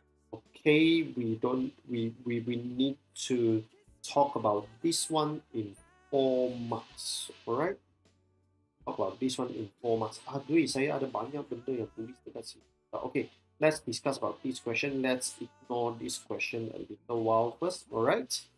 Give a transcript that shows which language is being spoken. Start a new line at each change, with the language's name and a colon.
English: Okay, we need to talk about this one in 4 months, alright? Talk about this one in 4 months.
Malay: Aduh, saya ada banyak benda yang tulis dekat sini.
English: Okay, let's discuss about this question. Let's ignore this question a little while first, alright?